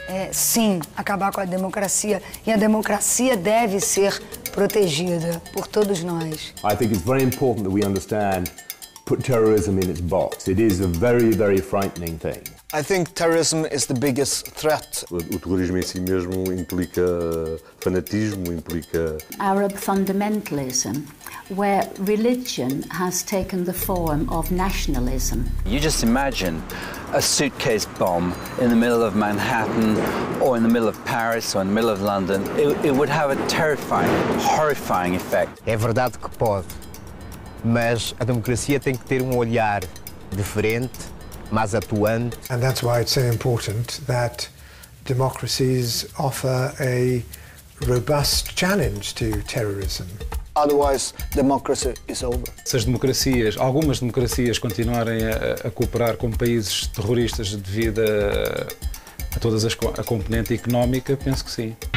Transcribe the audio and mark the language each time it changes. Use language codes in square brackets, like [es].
[pt] Sim, acabar com a democracia, e a democracia deve ser protegida por todos nós. [en] I think it's very important that we understand put terrorism in its box. It is a very, very frightening thing. I think terrorism is the biggest threat. [pt] O terrorismo em si mesmo implica fanatismo, implica [en] Arab fundamentalism, where religion has taken the form of nationalism. You just imagine a suitcase bomb in the middle of Manhattan, or in the middle of Paris, or in the middle of London. It would have a terrifying, horrifying effect. [pt] É verdade que pode, mas a democracia tem que ter um olhar diferente, mais atuante. [en] And that's why it's so important that democracies offer a robust challenge to terrorism. Otherwise, democracy is over. [pt] Se as democracias, algumas democracias, continuarem a cooperar com países terroristas devido a todas as a componente económica, penso que sim.